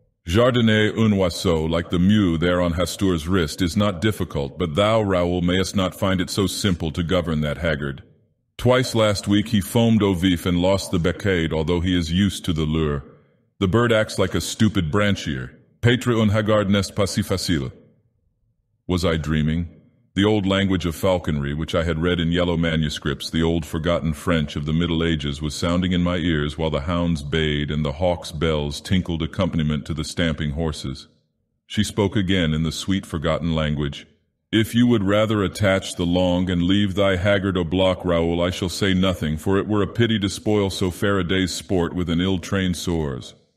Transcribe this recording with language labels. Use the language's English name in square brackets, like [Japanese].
[French] Jardinez un oiseau, [English] like the mew there on Hastur's wrist, is not difficult, but thou, Raoul, mayest not find it so simple to govern that haggard. Twice last week he foamed au vif and lost the becade, although he is used to the lure. The bird acts like a stupid branchier. [French] Petre un haggard n'est pas si facile." [English] Was I dreaming? The old language of falconry, which I had read in yellow manuscripts, the old forgotten French of the Middle Ages, was sounding in my ears while the hounds bayed and the hawk's bells tinkled accompaniment to the stamping horses. She spoke again in the sweet forgotten language. "If you would rather attach the long and leave thy haggard au bloc, Raoul, I shall say nothing, for it were a pity to spoil so fair a day's sport with an ill-trained sores.